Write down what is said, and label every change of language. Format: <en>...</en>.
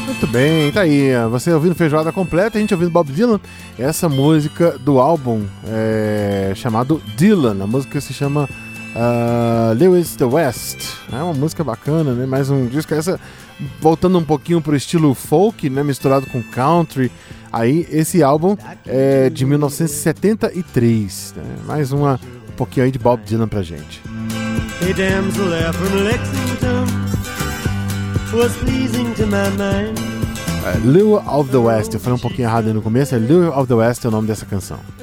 <pt>Bem, tá aí, você ouvindo Feijoada Completa, a gente ouvindo Bob Dylan, essa música do álbum chamado Dylan, a música se chama Lewis the West, é uma música bacana, né, mais um disco, essa, voltando um pouquinho pro estilo folk, né, misturado com country, aí esse álbum é de 1973, né? Mais uma, um pouquinho aí de Bob Dylan pra gente.</pt> <en>Hey, damsel from Lexington was pleasing to my mind.</en> <pt>Lew of the West, eu falei um pouquinho errado no começo, é Lew of the West é o nome dessa canção.</pt>